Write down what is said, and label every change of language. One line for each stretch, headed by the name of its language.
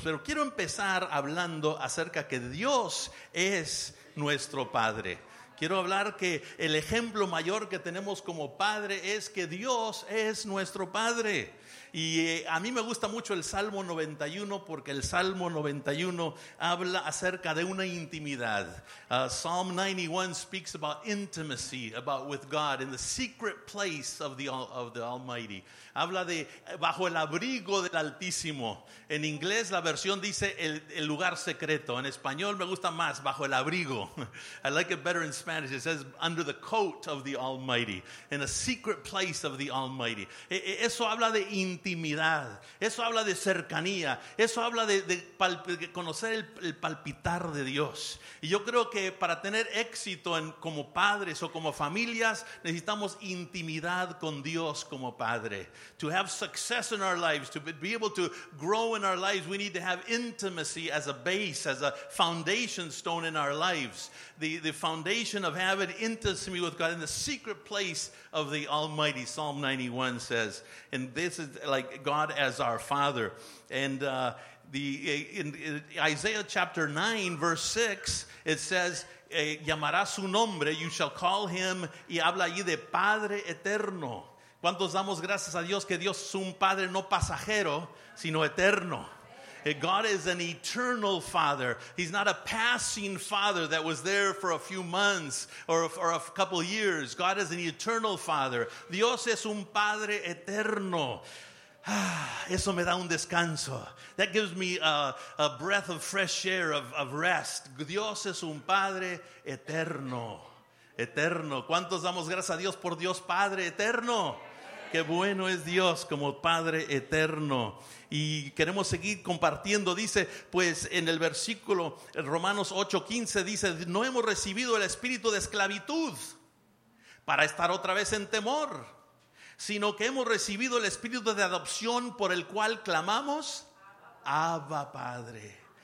Spanish: Pero quiero empezar hablando acerca que Dios es nuestro padre. Quiero hablar que el ejemplo mayor que tenemos como padre es que Dios es nuestro padre. Y a mí me gusta mucho el Salmo 91, porque el Salmo 91 habla acerca de una intimidad.
English: Psalm 91 speaks about intimacy, about with God in the secret place of the Almighty.
Spanish: Habla de bajo el abrigo del Altísimo. En inglés la versión dice el lugar secreto. En español me gusta más bajo el abrigo.
English: I like it better in Spanish. It says under the coat of the Almighty, in a secret place of the Almighty.
Spanish: Eso habla de intimidad, eso habla de cercanía, eso habla de conocer el palpitar de Dios. Y yo creo que para tener éxito como padres o como familias, necesitamos intimidad con Dios como padre.
English: To have success in our lives, to be able to grow in our lives, we need to have intimacy as a base, as a foundation stone in our lives. The foundation of having intimacy with God in the secret place of the Almighty, Psalm 91 says. And this is like God as our Father. And in Isaiah chapter 9, verse 6, it says,
Spanish: llamará su nombre,
English: you shall call him,
Spanish: y habla allí de Padre Eterno. ¿Cuántos damos gracias a Dios que Dios es un Padre no pasajero, sino eterno?
English: God is an eternal Father. He's not a passing Father that was there for a few months or a couple years. God is an eternal Father.
Spanish: Dios es un Padre eterno. Eso me da un descanso.
English: That gives me a breath of fresh air, of rest.
Spanish: Dios es un Padre eterno. Eterno. ¿Cuántos damos gracias a Dios por Dios Padre eterno? Qué bueno es Dios como Padre eterno. Y queremos seguir compartiendo. Dice, pues en el versículo Romanos 8:15 dice, no hemos recibido el espíritu de esclavitud para estar otra vez en temor, sino que hemos recibido el espíritu de adopción por el cual clamamos Abba Padre.